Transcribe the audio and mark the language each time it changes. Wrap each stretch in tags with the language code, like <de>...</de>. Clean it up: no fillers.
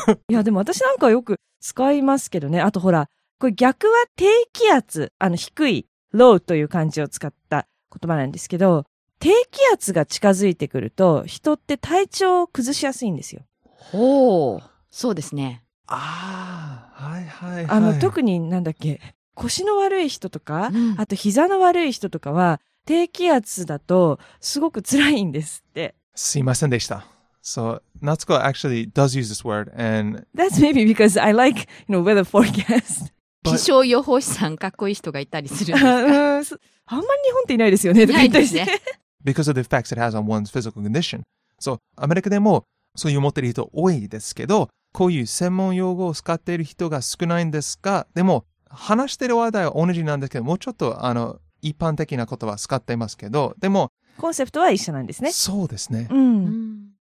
<ja>いや、でも私なんかよく使いますけどね。あとほら、これ逆は低気圧、低い、low という漢字を使った言葉なんですけど、低気圧が近づいてくると、人って体調を崩しやすいんですよ。ほう。そうですね。ああ、はいはいはい。特になんだっけ、腰の悪い人とか、うん、あと膝の悪い人とかは、低気圧だとすごく辛いんですって。すいませんでした。</ja> <en>So, Natsuko actually does use this word, and... That's maybe because I like, you know, weather forecast.</en> <ja>気象予報士さん、かっこいい人がいたりするんですか？あんまり日本っていないですよね、とか言ったりして。</ja> <en>Because of the effects it has on one's physical condition.</en> <ja>So, アメリカでもそういう持ってる人多いですけど、こういう専門用語を使っている人が少ないんですが、でも、話してる話題は同じなんですけど、もうちょっと、一般的な言葉は使っていますけど、でも、コンセプトは一緒なんですね。そうですね。うん。</ja>